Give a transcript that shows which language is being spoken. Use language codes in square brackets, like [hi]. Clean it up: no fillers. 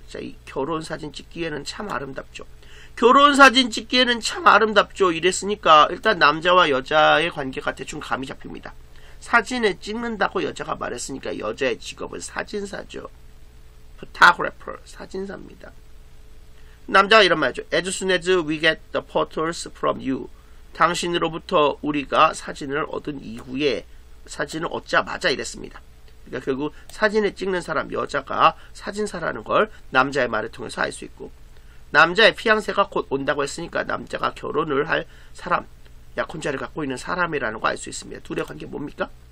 [ko] 자, 이 결혼 사진 찍기에는 참 아름답죠. 결혼 사진 찍기에는 참 아름답죠. 이랬으니까 일단 남자와 여자의 관계가 대충 감이 잡힙니다. 사진을 찍는다고 여자가 말했으니까 여자의 직업은 사진사죠. Photographer, 사진사입니다. 남자가 이런 말이죠. [en] As soon as we get the photos from you. [ko] 당신으로부터 우리가 사진을 얻은 이후에 사진을 얻자마자 이랬습니다. 그러니까 결국 사진을 찍는 사람, 여자가 사진사라는 걸 남자의 말을 통해서 알 수 있고 남자의 피앙세가 곧 온다고 했으니까 남자가 결혼을 할 사람, 약혼자를 갖고 있는 사람이라는 걸 알 수 있습니다. 둘의 관계 뭡니까?